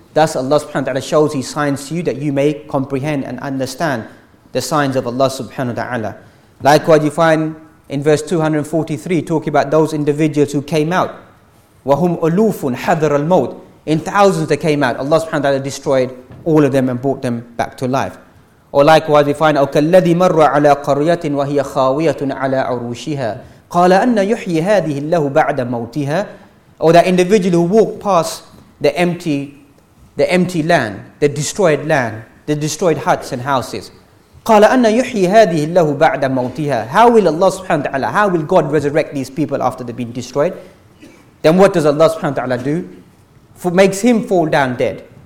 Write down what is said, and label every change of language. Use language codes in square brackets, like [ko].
[en] Thus Allah subhanahu wa ta'ala shows his signs to you that you may comprehend and understand the signs of Allah subhanahu wa ta'ala. Likewise you find in verse 243 talking about those individuals who came out, [ar] وَهُمْ أُلُوفٌ حَذَرَ الْمَوْتِ, [en] in thousands they came out, Allah subhanahu wa ta'ala destroyed all of them and brought them back to life. Or likewise we find, [ar] أَوْكَالَّذِي مَرَّ عَلَىٰ قَرْيَةٍ وَهِيَ خَاوِيَةٌ عَلَىٰ عُرُوشِهَا قَالَ أَنَّ يُحْيِي هَذِهِ اللَّهُ بَعْدَ مَوْتِهَا. [en] Or that individual who walked past the empty land, the destroyed land, the destroyed huts and houses. [ar] قَالَ أَنَّ يُحْيِي هَذِهِ اللَّهُ بَعْدَ مَوْتِهَا. [en] How will Allah subhanahu wa ta'ala, how will God resurrect these people after they've been destroyed? Then what does Allah subhanahu wa ta'ala do? Makes him fall down dead.